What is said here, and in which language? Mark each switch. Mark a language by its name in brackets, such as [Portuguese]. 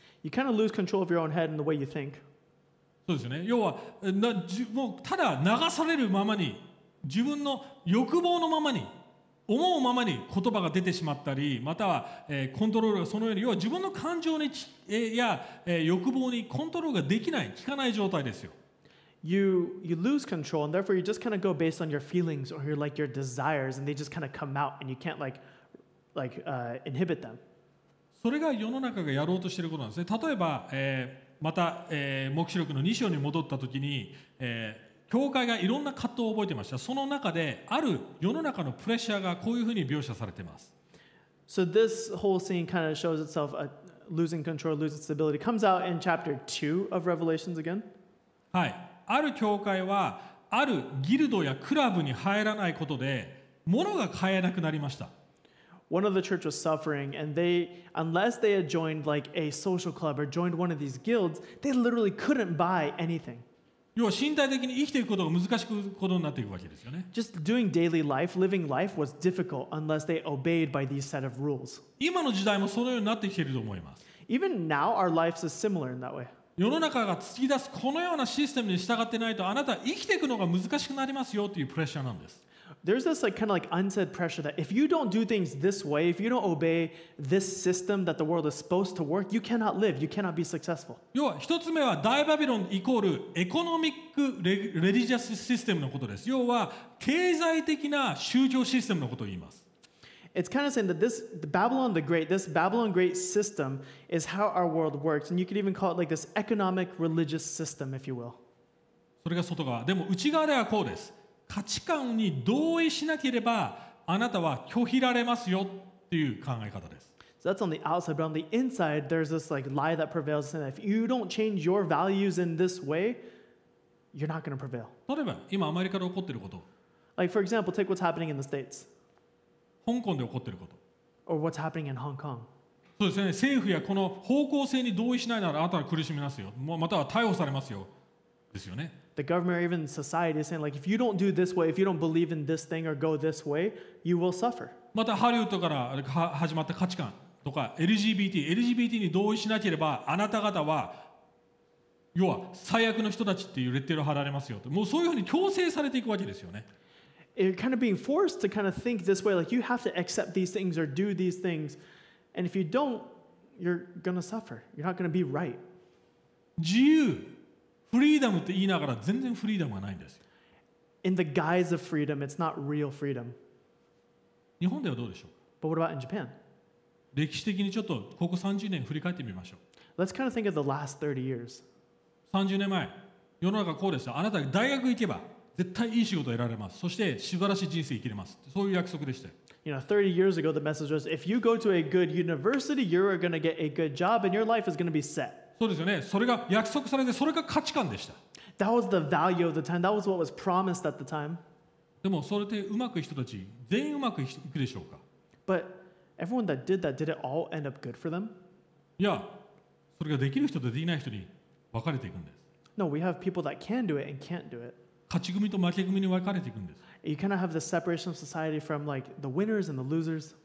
[English] You kind of lose control of your own head and the way you think. [Japanese] そうですよね。要はもうただ流されるままに、自分の欲望のままに、思うままに言葉が出てしまったり、または、コントロールがそのように、要は自分の感情に、欲望にコントロールができない、効かない状態ですよ。 [English] You lose control and therefore you just kind of go based on your feelings or your desires and they just kind of come out and you can't inhibit them. [Japanese] それが世の中がやろうとしていることなんですね。例えば、また、黙示録の2章に戻った時に、教会がいろんな葛藤を覚えてました。その中である世の中のプレッシャーがこういうふうに描写されています。 [English] So this whole scene kind of shows itself a losing control, losing stability comes out in chapter 2 of Revelations again. [Japanese] はい、ある教会はあるギルドやクラブに入らないことで物が買えなくなりました。 [English] One of the church was suffering, and they, unless they had joined like a social club or joined one of these guilds, they literally couldn't buy anything. [Japanese] 要は身体的に生きていくことが難しくことになっていくわけですよね。 [English] Just doing daily life, living life was difficult unless they obeyed by these set of rules. [Japanese] 今の時代もそのようになってきていると思います。 [English] Even now, our lives are similar in that way. [Japanese] 世の中が突き出すこのようなシステムに従ってないとあなたは生きていくのが難しくなりますよというプレッシャーなんです。 [English] There's this like kind of like unsaid pressure that if you don't do things this way, if you don't obey this system that the world is supposed to work, you cannot live, you cannot be successful. [Japanese] 要は一つ目は大バビロンイコールエコノミックレリジアスシステムのことです。要は経済的な宗教システムのことを言います。 [English] It's kind of saying that this Babylon the Great, this Babylon Great system is how our world works, and you could even call it like this economic religious system, if you will. [Japanese] それが外側。でも内側ではこうです。価値観に同意しなければあなたは拒否られますよっていう考え方です。 [English] So that's on the outside, but on the inside, there's this like lie that prevails in that if you don't change your values in this way, you're not going to prevail. [Japanese] 例えば今アメリカで起こっていること。 [English] Like for example, take what's happening in the States. [Japanese] 香港で起こっていること。 [English] Or what's happening in Hong Kong. [Japanese] そうですね。政府やこの方向性に同意しないならあなたは苦しみますよ。または逮捕されますよ。ですよね。 [English] The government or even society is saying, like, if you don't do this way, if you don't believe in this thing or go this way, you will suffer. [Japanese] またハリウッドから始まった価値観とか LGBT に同意しなければあなた方は要は最悪の人たちっていうレッテルを貼られますよと。もうそういうふうに強制されていくわけですよね。 [English] You're kind of being forced to kind of think this way, like you have to accept these things or do these things, and if you don't, you're gonna suffer. You're not gonna be right. [Japanese] 自由。フリーダムって言いながら全然フリーダムがないんです。 [English] In the guise of freedom, it's not real freedom. [Japanese] 日本ではどうでしょう? [English] But what about in Japan? [Japanese] 歴史的にちょっとここ30年振り返ってみましょう。 [English] Let's kind of think of the last 30 years. [Japanese] 30年前、世の中こうでした。あなたが大学行けば絶対いい仕事を得られます。そして素晴らしい人生生きれます。そういう約束でした。 [English] You know, 30 years ago, the message was, if you go to a good university, you're going to get a good job and your life is going to be set. [Japanese] そうですよね。それが約束されて、それが価値観でした。 [English] That was the value of the time. That was what was promised at the time. [Japanese] でもそれでうまくいく人たち、全員うまくいくでしょうか? [English] But everyone that did that, did it all end up good for them? [Japanese] いや、それができる人とできない人に分かれていくんです。 [English] No, we have people that can do it and can't do it. [Japanese] 勝ち組と負け組に分かれていくんです。 [English] You kind of have the separation of society from like the winners and the losers.